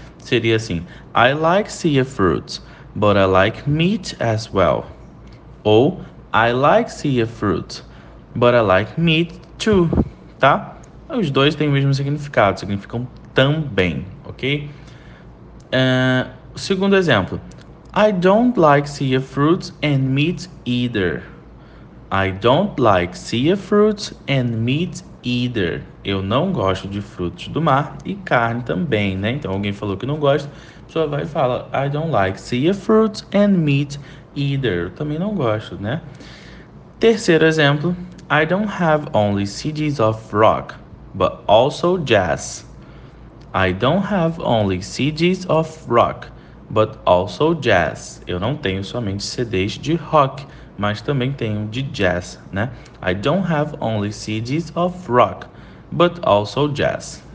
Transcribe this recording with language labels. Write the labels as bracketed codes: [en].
[pt] Seria assim: [en] I like sea fruit, but I like meat as well. Ou I like sea fruit, but I like meat too, tá? [pt] Os dois têm o mesmo significado, significam também, ok? Segundo exemplo: [en] I don't like sea fruits and meat either. I don't like sea fruits and meat either. [pt] Eu não gosto de frutos do mar e carne também, né? Então alguém falou que não gosta, a pessoa vai e fala: [en] I don't like sea fruits and meat either. [pt] Eu também não gosto, né? Terceiro exemplo: [en] I don't have only CDs of rock, but also jazz. I don't have only CDs of rock, but also jazz. [pt] Eu não tenho somente CDs de rock, mas também tenho de jazz, né? [en] I don't have only CDs of rock, but also jazz.